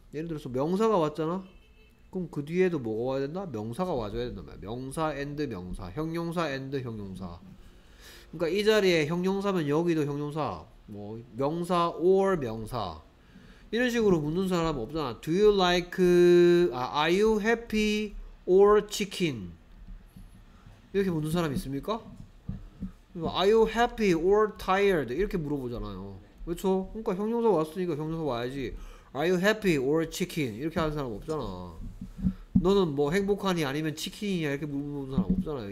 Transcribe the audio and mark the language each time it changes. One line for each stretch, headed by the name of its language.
Korean: 예를 들어서 명사가 왔잖아? 그럼 그 뒤에도 뭐가 와야 된다? 명사가 와줘야 된단 말이야. 명사 and 명사, 형용사 and 형용사. 그러니까 이 자리에 형용사면 여기도 형용사, 뭐 명사 or 명사 이런 식으로 묻는 사람 없잖아.
English: Do you like, are you happy or chicken?
Korean: 이렇게 묻는 사람 있습니까?
English: Are you happy or tired?
Korean: 이렇게 물어보잖아요. 그렇죠? 그러니까 형용사 왔으니까 형용사 와야지.
English: Are you happy or chicken?
Korean: 이렇게 하는 사람 없잖아. 너는 뭐 행복하니 아니면 치킨이냐 이렇게 물어보는 사람 없잖아요.